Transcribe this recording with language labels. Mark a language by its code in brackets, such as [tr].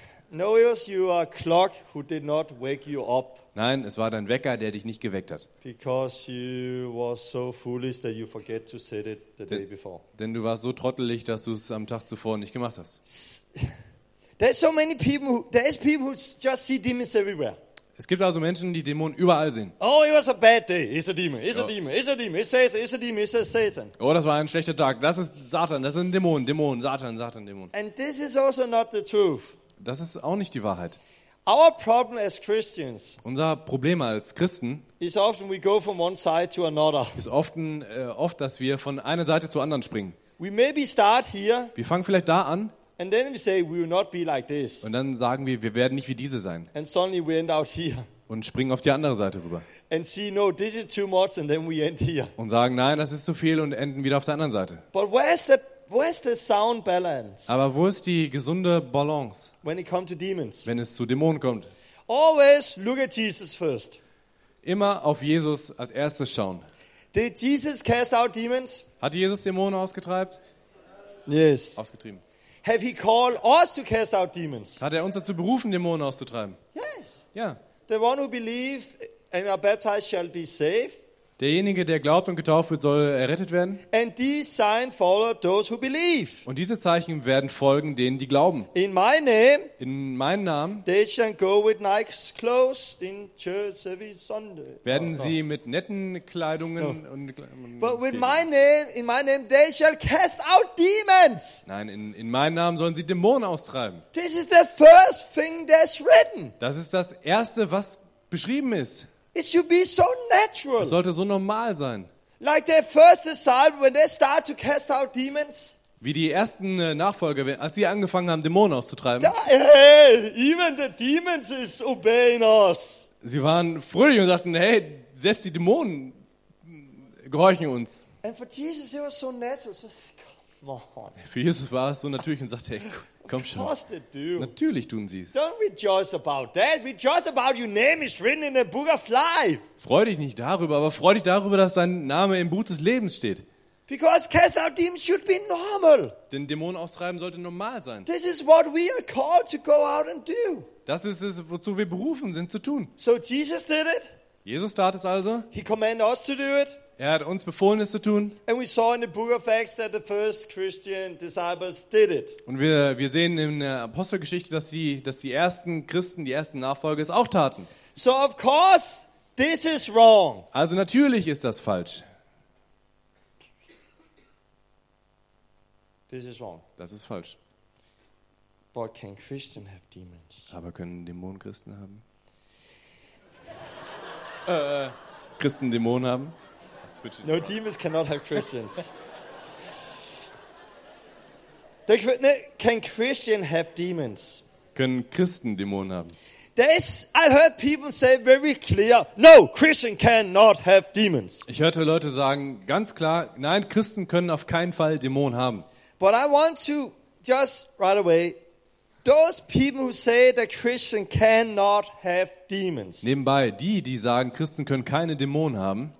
[en] No, it was your clock who did not wake you up. [de] Nein, es war dein Wecker, der dich nicht geweckt hat. [en] Because you were so foolish that you forget to set it the day before. [de] Denn du warst so trottelig, dass du es am Tag zuvor nicht gemacht hast. [en] There's so many people. There is people who just see demons everywhere. [de] Es gibt also Menschen, die Dämonen überall sehen. [en] Oh, it was a bad day. It's a demon. It's a Satan. [de] Oh, das war ein schlechter Tag. Das ist Satan. Das ist ein Dämon. Dämon. [en] And this is also not the truth. [de] Das ist auch nicht die Wahrheit. [en] Our problem as Christians. [de] Unser Problem als Christen. [en] Is often we go from one side to another. [de] Ist oft, dass wir von einer Seite zur anderen springen. [en] We maybe start here. [de] Wir fangen vielleicht da an. [en] And then we say we will not be like this. [de] Und dann sagen wir, wir werden nicht wie diese sein. [en] And suddenly we end out here. [de] Und springen auf die andere Seite rüber. [en] And see, no, this is too much, and then we end here. [de] Und sagen, nein, das ist zu viel und enden wieder auf der anderen Seite. [en] But where's the sound balance? [de] Aber wo ist die gesunde Balance? [en] When it comes to demons. [de] Wenn es zu Dämonen kommt. [en] Always look at Jesus first. [de] Immer auf Jesus als erstes schauen. [en] Did Jesus cast out demons? [de] Hat Jesus Dämonen ausgetreibt? [en] Yes. [de] Ausgetrieben. [en] Have he called us to cast out demons? [de] Hat uns dazu berufen, Dämonen auszutreiben? [en] Yes. [de] Ja. [en] The one who believes and are baptized shall be saved. [de] Derjenige, der glaubt und getauft wird, soll errettet werden. [en] And these signs follow those who believe. [de] Und diese Zeichen werden folgen denen, die glauben. [en] In my name. [de] In meinem Namen. [en] They shall go with nice clothes in church every Sunday. [de] Werden sie mit netten Kleidungen und [en] But with my name, in my name, they shall cast out demons. [de] Nein, in meinem Namen sollen sie Dämonen austreiben. [en] This is the first thing that's written. [de] Das ist das erste, was beschrieben ist. [en] It should be so natural. [de] Es sollte so normal sein. [en] Like the first disciples when they start to cast out demons. [de] Wie die ersten Nachfolger, als sie angefangen haben, Dämonen auszutreiben. [en] Even the demons is obeying us. [de] Sie waren fröhlich und sagten, hey, selbst die Dämonen gehorchen uns. [en] And for Jesus it was so natural. So, come. come on. [de] Für Jesus war es so natürlich und sagte, hey, komm schon. [en] Of course they do. [de] Natürlich tun sie es. [en] Don't rejoice about that. Rejoice about your name is written in the book of life. [de] Freu dich nicht darüber, aber freu dich darüber, dass dein Name im Buch des Lebens steht. [en] Because cast out demons should be normal. [de] Denn Dämonen austreiben sollte normal sein. [en] This is what we are called to go out and do. [de] Das ist es, wozu wir berufen sind zu tun. [en] So Jesus did it. [de] Jesus tat es also. [en] He commanded us to do it. [de] Er hat uns befohlen, es zu tun. [en] And we saw in the book of Acts that the first Christian disciples did it. [de] Und wir sehen in der Apostelgeschichte, dass die ersten Christen, die ersten Nachfolger es auch taten. [en] So of course this is wrong. [de] Also natürlich ist das falsch. [en] This is wrong. [de] Das ist falsch. [en] But can Christian have demons? [de] Aber können Dämonen Christen haben? Christen Dämonen haben? [en] No demons cannot have Christians. Can Christian have demons? [de] Können Christen Dämonen haben? [en] I heard people say very clear, no, Christian cannot have demons. [de] Ich hörte Leute sagen ganz klar, nein, Christen können auf keinen Fall Dämonen haben. [en] But I want to just right away, those people who say that Christian cannot have demons. [de] Nebenbei, die sagen, Christen können keine Dämonen haben.